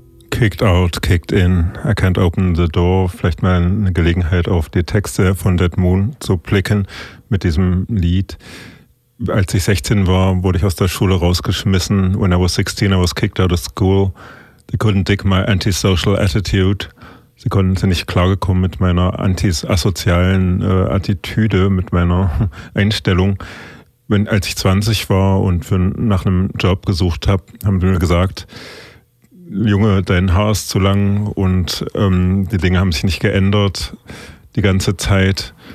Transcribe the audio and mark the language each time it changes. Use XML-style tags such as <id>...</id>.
<en>Kicked out, kicked in, I can't open the door.</en> <de>Vielleicht mal eine Gelegenheit, auf die Texte von Dead Moon zu blicken mit diesem Lied. Als ich 16 war, wurde ich aus der Schule rausgeschmissen.</de> <en>When I was 16, I was kicked out of school. They couldn't dig my antisocial attitude.</en> <de>Sie konnten sind nicht klargekommen mit meiner antisozialen Attitüde, mit meiner Einstellung. Als ich 20 war und nach einem Job gesucht habe, haben sie mir gesagt, Junge, dein Haar ist zu lang und die Dinge haben sich nicht geändert die ganze Zeit.</de>